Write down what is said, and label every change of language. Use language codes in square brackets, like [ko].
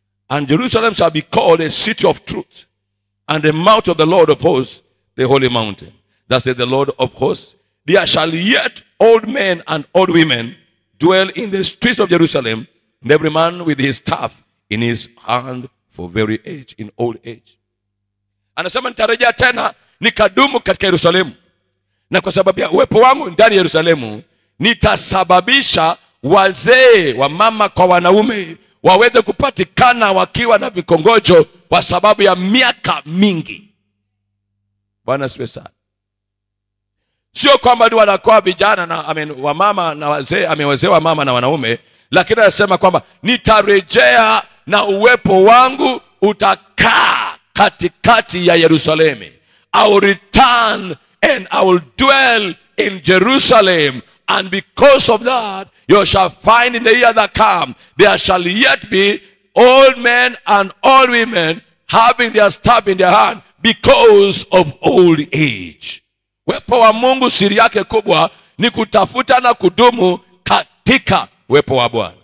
[en] And Jerusalem shall be called a city of truth, and the mount of the Lord of hosts, the holy mountain. Thus said the Lord of hosts, there shall yet old men and old women dwell in the streets of Jerusalem, and every man with his staff in his hand, for very age, in old age. [sw] Anasema nitarejea tena nikadumu katika Yerusalemu. Na kwa sababu ya uwepo wangu ndani ya Yerusalemu, nitasababisha wazee wa mama kwa wanaume waweze kupatikana wakiwa na vikongojo kwa sababu ya miaka mingi. Bwana asifiwe sana. Sio kwamba ndio wanakuwa vijana na wa mama na wazee, wazee wa mama na wanaume, lakini anasema kwamba nitarejea na uwepo wangu utakaa katikati ya Yerusalemu. [en] I will return and I will dwell in Jerusalem. And because of that, you shall find in the year that come, there shall yet be old men and old women having their staff in their hand because of old age. [sw] Uwepo wa Mungu siri yake kubwa ni kutafuta na kudumu katika uwepo wa Bwana.